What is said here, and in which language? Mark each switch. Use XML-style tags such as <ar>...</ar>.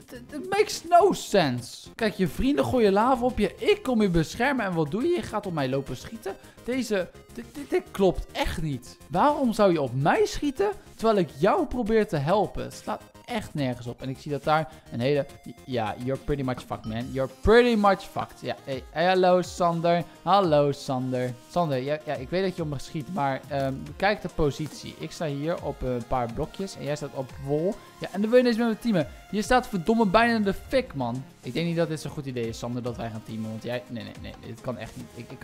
<en>It makes no sense!</en> <nl>Kijk, je vrienden gooien lava op je. Ik kom je beschermen. En wat doe je? Je gaat op mij lopen schieten? Dit klopt echt niet. Waarom zou je op mij schieten terwijl ik jou probeer te helpen? Het slaat echt nergens op. En ik zie dat daar een hele...</nl> <en>Ja, you're pretty much fucked, man. You're pretty much fucked.</en> <nl>Ja, hey, hallo Sander. Hallo Sander. Sander, ja, ik weet dat je op me schiet, maar kijk de positie. Ik sta hier op een paar blokjes en jij staat op wol. Ja, en dan wil je ineens met mijn teamen. Je staat verdomme bijna in de fik, man. Ik denk niet dat dit zo'n goed idee is, Sander, dat wij gaan teamen. Want jij... Nee. Dit kan echt niet.</nl>